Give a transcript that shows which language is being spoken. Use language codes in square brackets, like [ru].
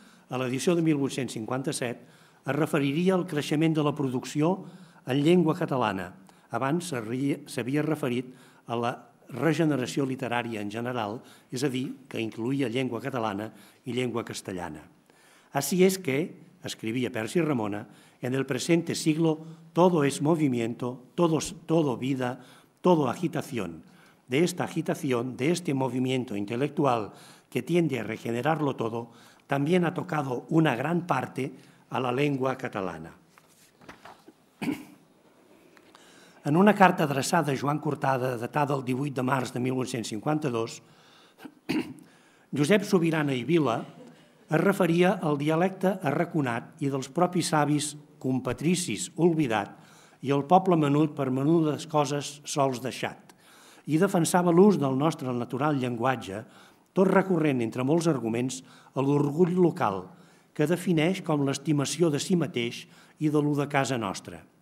[ca] A l'edició de 1857 es referiria al creixement de la producció en llengua catalana. Abans s'havia referit a la regeneració literària en general, és a dir, que incluïa llengua catalana i llengua castellana. [es] Así es que, [ca] escrivia [es] Percy Ramona, en el presente siglo todo es movimiento, todo vida, todo agitación. De esta agitación, de este movimiento intelectual que tiende a regenerarlo todo, también ha tocado una gran parte a la lengua catalana. [ca] En una carta adreçada a Joan Cortada, datada el 18 de març de 1852, Josep Subirana i Vila es referia al dialecte arraconat i dels propis savis compatricis oblidat i al poble menut per menudes coses sols deixat, i defensava l'ús del nostre natural llenguatge, tot recorrent entre molts arguments a l'orgull local, que defineix com l'estimació de si mateix i de l'ú de casa nostra.